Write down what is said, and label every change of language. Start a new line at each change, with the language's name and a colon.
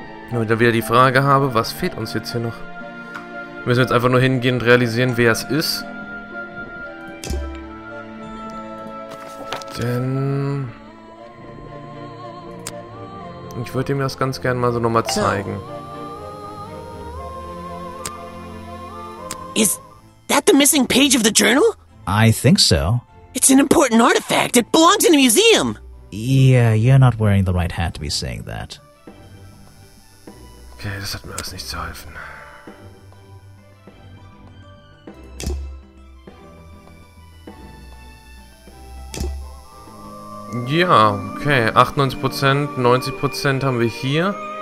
German: Wenn ich dann wieder die Frage habe, was fehlt uns jetzt hier noch? Wir müssen jetzt einfach nur hingehen und realisieren, wer es ist. Denn ich würde ihm das ganz gerne mal so nochmal zeigen.
English: Is that the missing page of the journal? I think so. It's an important artifact. It belongs in a museum. Yeah, you're not wearing the right hat to be saying that.
German: Okay, das hat mir alles nicht zu helfen. Ja, okay, 98%, 90% haben wir hier.